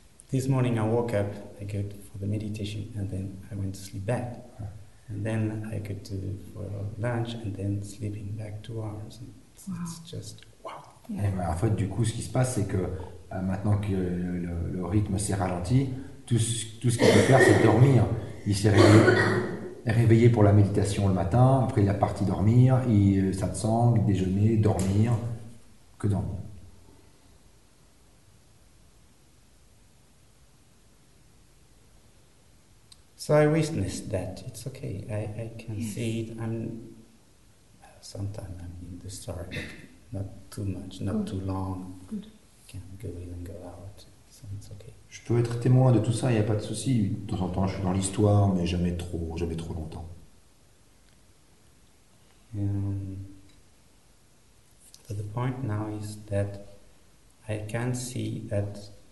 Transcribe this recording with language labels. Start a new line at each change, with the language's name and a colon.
English: This morning I woke up, I go for the meditation, and then I went to sleep back. And then I go to for lunch, and then sleeping back 2 hours. It's just wow. Yeah.
French: Et en fait, du coup, ce qui se passe, c'est que maintenant que le rythme s'est ralenti, tout ce qu'il peut faire, c'est dormir. Il s'est réveillé pour la méditation le matin, après il a parti dormir, satsang, déjeuner, dormir, que dormir.
English: So I witnessed that it's okay. I can see it. Sometimes I'm in the story, but not too much, not too long. Good. Can go in and go out. So it's okay.
French: Je peux être témoin de tout ça. Il y a pas de souci. De temps en temps, je suis dans l'histoire, mais jamais trop longtemps.
English: So the point now is that I can see that.